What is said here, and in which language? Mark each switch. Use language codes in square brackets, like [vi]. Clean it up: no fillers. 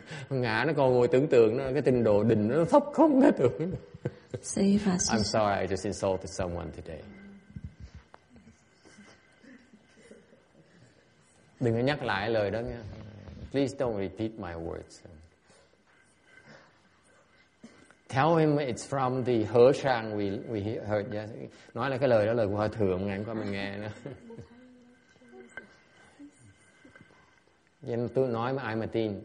[vi] Ngã nó còn ngồi tưởng tượng, nó cái tình độ định nó thấp không thể tưởng. [en] I'm sorry, I just insulted someone today. [vi] Đừng có nhắc lại lời đó nha. [en] Please don't repeat my words. Tell him it's from the Hớ Sang we heard. Yes. [vi] Nói là cái lời đó lời của Hòa Thượng ngày hôm qua mình nghe nữa. Nhưng tôi nói mà ai mà tin.